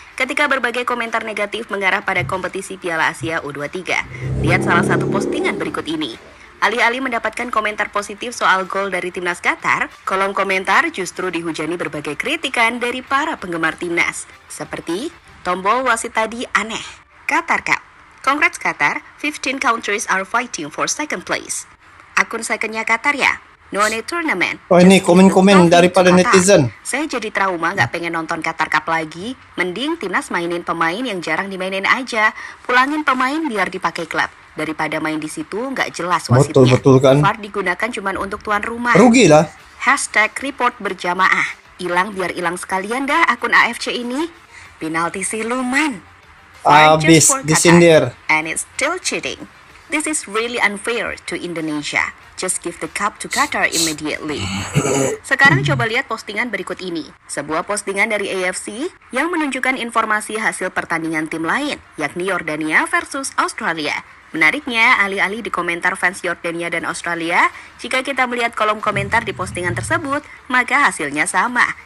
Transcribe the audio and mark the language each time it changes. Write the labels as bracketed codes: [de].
[id] Ketika berbagai komentar negatif mengarah pada kompetisi Piala Asia U23, lihat salah satu postingan berikut ini. Alih-alih mendapatkan komentar positif soal gol dari timnas Qatar, kolom komentar justru dihujani berbagai kritikan dari para penggemar timnas. Seperti, tombol wasit tadi aneh. Qatar Cup. [en] Congrats Qatar, 15 countries are fighting for second place. [id] Akun secondnya Qatar ya? [en] No need tournament. [id] Oh ini komen-komen daripada netizen. Saya jadi trauma gak pengen nonton Qatar Cup lagi. Mending timnas mainin pemain yang jarang dimainin aja. Pulangin pemain biar dipakai klub. Daripada main di situ gak jelas wasitnya. Betul-betul kan. VAR digunakan cuma untuk tuan rumah. Rugi lah. Hashtag report berjamaah. Ilang biar ilang sekalian dah akun AFC ini. Penalti si Luman. Abis disindir. [en] And it's still cheating. This is really unfair to Indonesia. Just give the cup to Qatar immediately. [id] Sekarang coba lihat postingan berikut ini. Sebuah postingan dari AFC yang menunjukkan informasi hasil pertandingan tim lain, yakni Yordania versus Australia. Menariknya, alih-alih di komentar fans Yordania dan Australia, jika kita melihat kolom komentar di postingan tersebut, maka hasilnya sama.